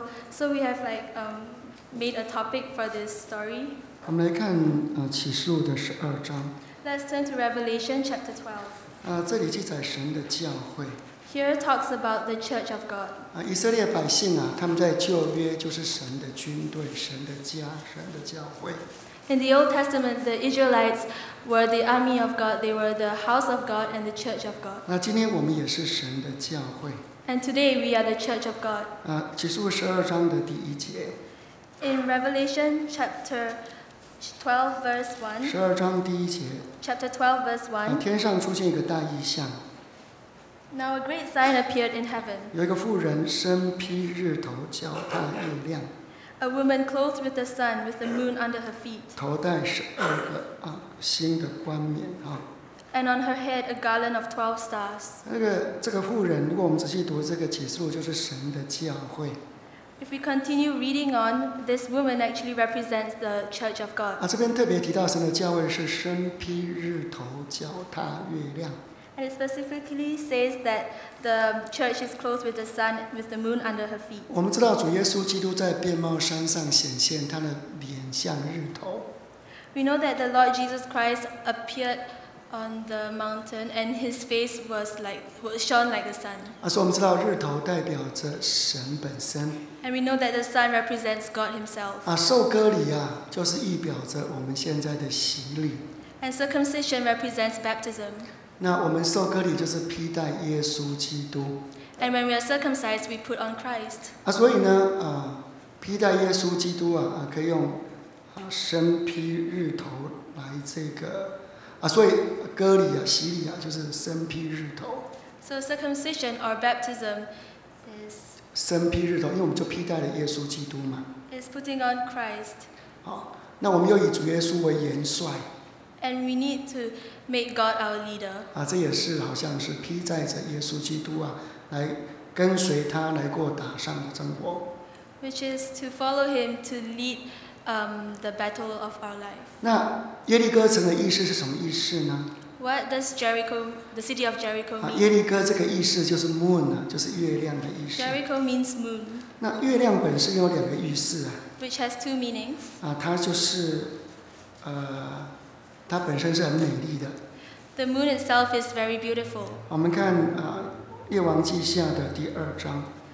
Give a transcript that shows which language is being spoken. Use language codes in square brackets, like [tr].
[en] So we have made a topic for this story. [zh] 我们来看启示录的十二章。 [en] Let's turn to Revelation chapter 12. [zh] 这里记载神的教会。 [en] Here talks about the church of God. [zh] 以色列百姓他们在旧约就是神的军队、神的家、神的教会。 [en] In the Old Testament, the Israelites were the army of God. They were the house of God and the church of God. [zh] 今天我们也是神的教会。 [en] And today we are the church of God. [zh] 启示录十二章的第一节。 [en] In Revelation chapter 12, verse 1. [zh] 十二章第一节。 [en] Chapter 12, verse 1. [zh] 天上出现一个大异象。 [en] Now a great sign appeared in heaven. [zh] 有一个妇人身披日头，脚踏月亮。 [en] A woman clothed with the sun, with the moon under her feet. [zh] 头戴十二个星的冠冕。 [en] And on her head a garland of 12 stars. [zh] 这个妇人，如果我们仔细读这个启示录，就是神的教会。 [en] If we continue reading on, this woman actually represents the Church of God. [zh] 这边特别提到神的教会是身披日头，脚踏月亮。 [en] And it specifically says that the church is clothed with the sun, with the moon under her feet. [zh] 我们知道主耶稣基督在遍茂山上显现，他的脸像日头。 [en] We know that the Lord Jesus Christ appeared on the mountain, and his face shone like the sun. [zh] 所以我们知道日头代表着神本身。 [en] And we know that the sun represents God himself. [zh] 受割礼就是预表着我们现在的洗礼。 [en] And circumcision represents baptism. [zh] 那我们受割礼就是披戴耶稣基督。 [en] And when we are circumcised, we put on Christ. [zh] 所以呢，披戴耶稣基督可以用身披日头来这个所以割礼洗礼就是身披日头。 [en] So circumcision or baptism is [zh] 身披日头，因为我们就披戴了耶稣基督嘛。 [en] Is putting on Christ. [zh] 那我们又以主耶稣为元帅。 [en] And we need to make God our leader. [zh] 这也是好像是披戴着耶稣基督来跟随他来过打仗的生活。 [en] Which is to follow him to lead the battle of our life. [zh] 那耶利哥城的意思是什么意思呢？ [en] What does Jericho, the city of Jericho mean? [zh] 耶利哥这个意思就是 moon, 就是月亮的意思。 [en] Jericho means moon. [zh] 那月亮本身有两个意思 [en] Which has two meanings. [zh] 它就是它本身是很美丽的。 [en] The moon itself is very beautiful. [zh] 我们看列王记下的第二章。